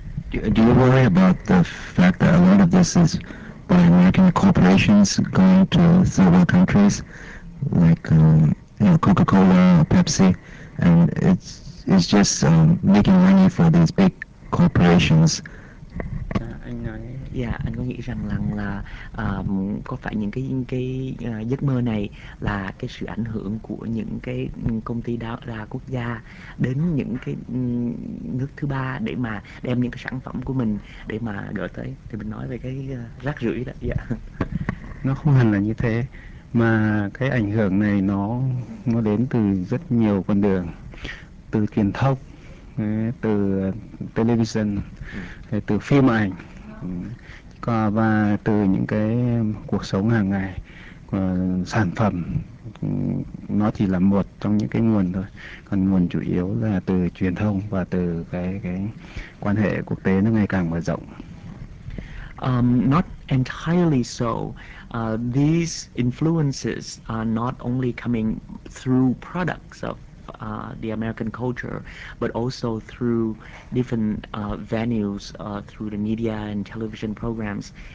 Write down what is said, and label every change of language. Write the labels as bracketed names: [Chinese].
[English] Do you worry about the fact that a lot of this is by American corporations going to several countries, like Coca-Cola or Pepsi, and it's just making money for these big corporations? [Vietnamese] Anh nói, anh có nghĩ rằng là có phải những cái giấc mơ này là cái sự ảnh hưởng của những cái công ty đa quốc gia đến những cái nước thứ ba để mà đem những cái sản phẩm của mình để mà gửi tới, thì mình nói về cái rác rưởi đó. Nó không hẳn là như thế, mà cái ảnh hưởng này nó đến từ rất nhiều con đường, từ truyền thông, từ television, từ phim ảnh, và từ những cái cuộc sống hàng ngày. Sản phẩm nó chỉ là một trong những cái nguồn thôi, còn nguồn chủ yếu là từ truyền thông và từ cái quan hệ quốc tế nó ngày càng mở rộng. [English] Not entirely so. These influences are not only coming through products of the American culture, but also through different venues, through the media and television programs.